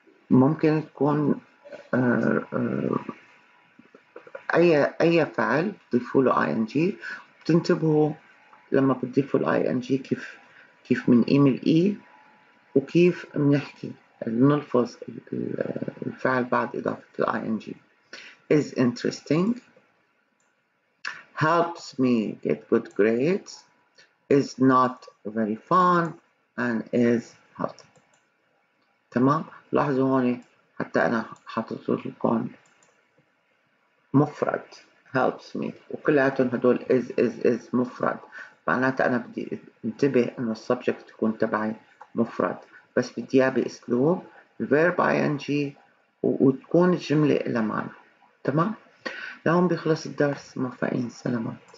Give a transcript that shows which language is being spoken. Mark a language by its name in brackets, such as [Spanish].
[Arabic] ممكن تكون أي فعل بتضيفوا له ing، بتنتبهوا لما بتضيفوا له ing كيف من إيميل إي وكيف منحكي نلفظ الفعل بعد إضافة ال ing. [English] is interesting helps me get good grades is not very fun and is hard. [Arabic] تمام، لاحظوا هون حتى أنا حاطط لكم مفرد [English] helps me [Arabic] وكلياتهم هدول is مفرد، معناته أنا بدي انتبه أن السبجكت يكون تبعي مفرد بس بدي اياه بأسلوب verb ing وتكون الجملة إلى معنى. تمام، لهم بيخلص الدرس. موفقين، سلامات.